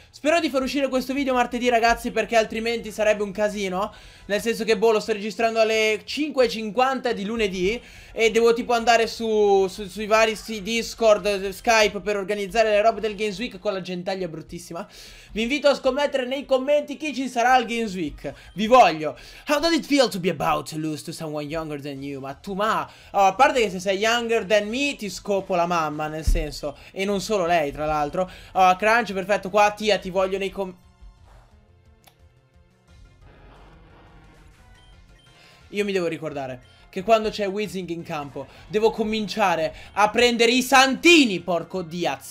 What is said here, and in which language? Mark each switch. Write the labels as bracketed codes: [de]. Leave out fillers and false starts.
[it] Spero di far uscire questo video martedì ragazzi, perché altrimenti sarebbe un casino. Nel senso che boh, lo sto registrando alle 5.50 di lunedì e devo tipo andare sui vari Discord, Skype per organizzare le robe del Games Week con la gentaglia bruttissima. Vi invito a scommettere nei commenti chi ci sarà al Games Week. Vi voglio. [en] How does it feel to be about to lose to someone younger than you? [it] Ma tu ma... Oh, a parte che se sei [en] younger than me [it] ti scopo la mamma, nel senso. E non solo lei, tra l'altro. Oh, Crunch, perfetto. Qua, Tia, ti voglio nei commenti. Io mi devo ricordare che quando c'è Weezing in campo devo cominciare a prendere i santini, porco Diaz.